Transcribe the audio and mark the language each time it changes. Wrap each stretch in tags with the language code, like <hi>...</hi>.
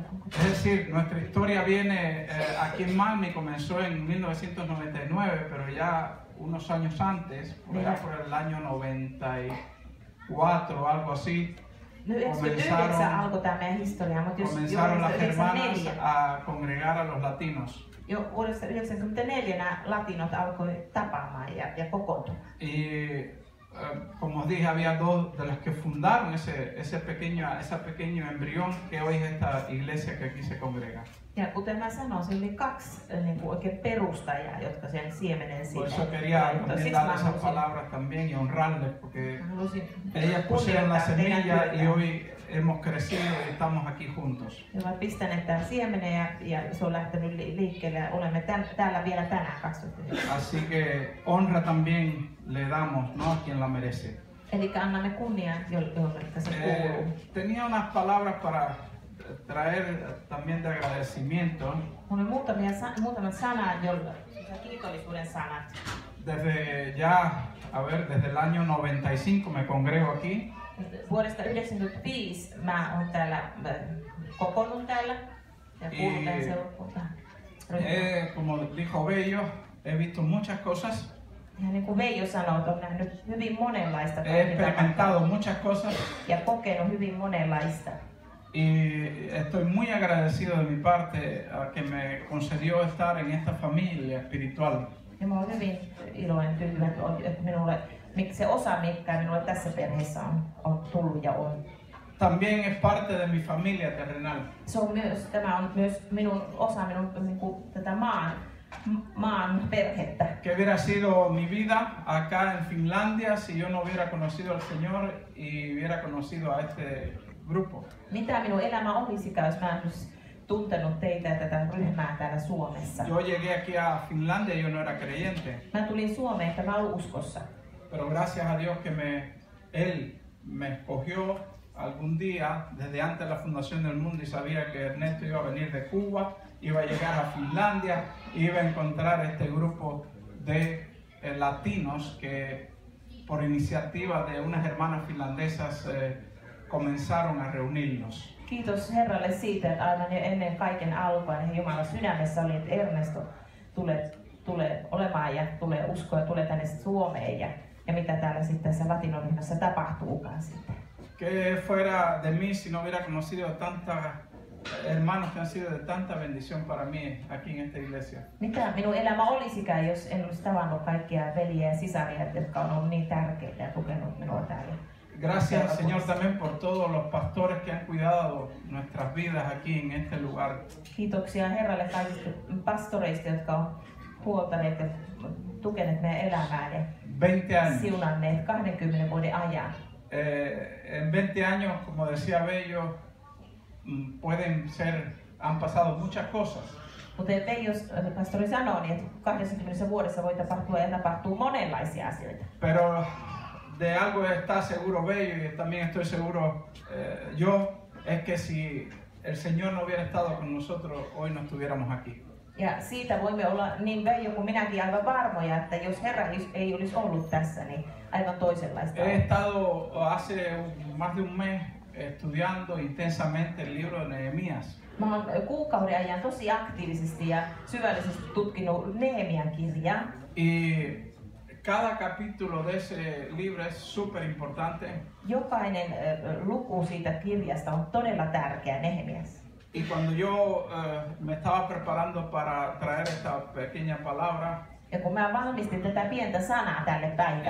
<es>es decir, nuestra historia viene aquí en Miami, comenzó en 1999, pero ya unos años antes, ya por el año 94 o algo así, comenzaron las hermanas a congregar a los latinos.</es> <fi>Jo vuodessa 1994 nämä latinot alkoi tapaamaan ja kokoontumaan.</fi> <es>Y como os dije, había dos de las que fundaron ese pequeño embrión que hoy es esta iglesia que aquí se congrega.</es> <fi>Ja kuten mä sanoisin, oli kaksi niin kuin oikein perustajaa, jotka sen siemenen sinne.</fi> <es>Por eso quería darle esas palabras también y honrarles, porque ellas pusieron la semilla y hoy hemos crecido y estamos aquí juntos.</es> <fi>Mä pistän tämän siemenen ja se on lähtenyt liikkeelle. Olemme täällä vielä tänään kasvattuneet.</fi> <es>Así que honra también le damos, ¿no? A quien la merece.</es> <fi>Eli annamme kunnia, jolle se kuuluu.</fi> <es>Tenía unas palabras para traer también de agradecimiento.</es> <fi>Mulla oli muutamia sanaa, kiitollisuuden sanat.</fi> <es>Desde el año 95 me congrego aquí.</es> <fi>Vuodesta 1995 mä oon täällä kokoonnut täällä ja kuulun tähän seurakuntaan.</fi> <es>Como dijo Bello, he visto muchas cosas.</es> <fi>Ja niin kuin Veijo sanoo, että on nähnyt hyvin monenlaista toimintaa.</fi> <es>He experimentado muchas cosas.</es> <fi>Ja kokenut hyvin monenlaista.</fi> <es>y estoy muy agradecido de mi parte a que me concedió estar en esta familia espiritual.</es> <fi>Ja mä oon hyvin iloinen kyllä, että minulle, se osa, mikä minulle tässä perheessä on, on tullut ja on.</fi> <es>También es parte de mi familia terrenal.</es> <fi>Se on myös, tämä on myös minun osa minun niin kuin, tätä maan perhettä.</fi> <es>Que hubiera sido mi vida acá en Finlandia si yo no hubiera conocido al Señor y hubiera conocido a este grupo.</es> <fi>Mitä minun elämä olisikaan, jos mä en olisi tuntenut teitä ja tätä ryhmää täällä Suomessa.</fi> <es>Yo llegué aquí a Finlandia y yo no era creyente.</es> <fi>Mä tulin Suomeen, että mä olin uskossa.</fi> <es>Pero gracias a Dios que él me escogió algún día desde antes de la fundación del mundo y sabía que Ernesto iba a venir de Cuba, iba a llegar a Finlandia y iba a encontrar este grupo de latinos que por iniciativa de unas hermanas finlandesas comenzaron a reunirnos.</es> <fi>Kiitos Herralle siitä, että aivan jo ennen kaiken alkua niin Jumalan sydämessä oli, että Ernesto tulee olemaan ja tulee uskoa ja tulee tänne Suomeen ja mitä täällä sitten tässä latinoryhmässä tapahtuukaan sitten.</fi> <es>Que fuera de mí si no hubiera conocido tanta hermanos que han sido de tanta bendición para mí aquí en esta iglesia.</es> <fi>Mitä minun elämä olisikään, jos en olisi tavannut kaikkia veliä ja sisaria, jotka on ollut niin tärkeitä ja tukenut minua täällä.</fi> <es>Gracias, Señor, también por todos los pastores que han cuidado nuestras vidas aquí en este lugar.</es> <fi>Kiitoksia Herralle kaikista pastoreista, jotka ovat huoltaneet ja tukeneet meidän elämää ja</fi> <es>20 años.</es> <fi>Siunanneet 20 vuoden ajan.</fi> <es>En 20 años, como decía Bello, pueden ser, han pasado muchas cosas.</es> <fi>Mutta jos pastori sanoo, niin 20 vuodessa voi tapahtua ja tapahtuu monenlaisia asioita.</fi> <es>Pero de algo está seguro Bello y también estoy seguro yo, es que si el Señor no hubiera estado con nosotros, hoy no estuviéramos aquí.</es> <fi>Ja siitä voimme olla niin Bello kuin minäkin aivan varmoja, että jos Herra ei olisi ollut tässä, niin aivan toisenlaista.</fi> <es>He estado hace más de un mes estudiando intensamente el libro de Nehemías.</es> <fi>Mä oon kuukauden ajan tosi aktiivisesti ja syvällisesti tutkinut Nehemian kirjaa.</fi> <es>Y cada capítulo de ese libro es súper importante.</es> <fi>Jokainen luku siitä kirjasta on todella tärkeä Nehemias.</fi> <es>Y cuando yo me estaba preparando para traer esta pequeña palabra,</es> <fi>ja kun mä valmistin tätä pientä sanaa tälle päivälle,</fi>